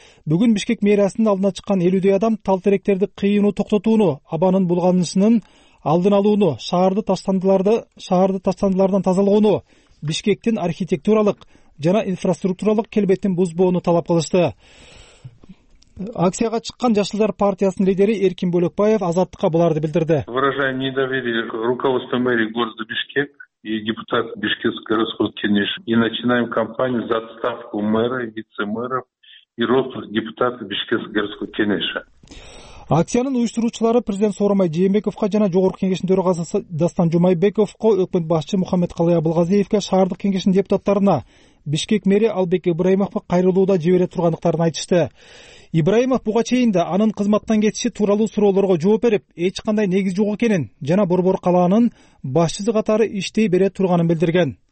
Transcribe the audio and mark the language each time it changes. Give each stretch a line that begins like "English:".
Kyrgyz: Бүгүн Бишкек мэриясынын алдына чыккан 50 адам тал теректерди кыюуну токтотууну, абанын булганышынын алдын алууну, шаарды таштандылардан тазалоону, Бишкектин архитектуралык жана инфраструктуралык келбетин бузбоону талап кылышты. Акцияга чыккан Жашылдар партиясынын лидери Эркин Бөлөкбаев Азаттыкка буларды билдирди.
Russian: Выражаем недоверие руководству мэрии города Бишкек и депутат Бишкекской городской кеңеши и начинаем кампанию за отставку мэра, вице-мэров и ростов депутатов Бишкекской городской кеңеши.
Kyrgyz: Акциянын уюштуруучулары президент Сооронбай Жээнбековго жана Жогорку кеңештин төрагасы Дастан Жумайбековго, өкмөт башчы Мухаммед Калай Абылгазиевге, шаардык кеңештин депутаттарына Бишкек мэри Албек Ибраимовго кайрылууда жибере тургандыктарын айтышты. Ибраимов буга чейин да анын кызматтан кетиши тууралуу суроолорго жооп берип, эч кандай негиз жок экенин жана Борбор калаанын башчысы катары иштей бере турганын билдирген.